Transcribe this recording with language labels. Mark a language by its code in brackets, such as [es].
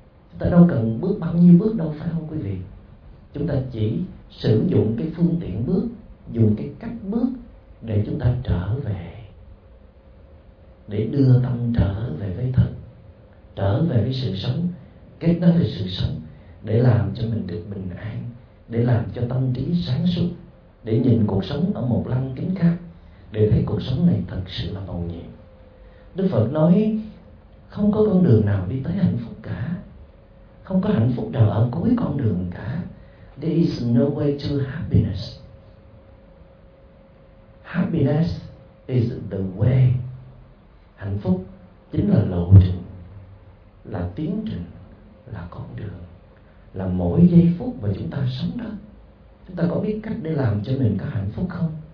[vi] Chúng ta đâu cần bước bao nhiêu bước đâu, phải không quý vị? Chúng ta chỉ sử dụng cái phương tiện bước, dùng cái cách bước để chúng ta trở về, để đưa tâm trở về với thật, trở về với sự sống, kết nối với sự sống, để làm cho mình được bình an, để làm cho tâm trí sáng suốt, để nhìn cuộc sống ở một lăng kính khác, để thấy cuộc sống này thật sự là màu nhiệm. Đức Phật nói không có con đường nào đi tới hạnh phúc cả, không có hạnh phúc nào ở cuối con đường cả. [en] There is no way to happiness. Happiness is the way. [vi] Hạnh phúc chính là lộ trình, là tiến trình, là con đường, là mỗi giây phút mà chúng ta sống đó. Chúng ta có biết cách để làm cho mình có hạnh phúc không?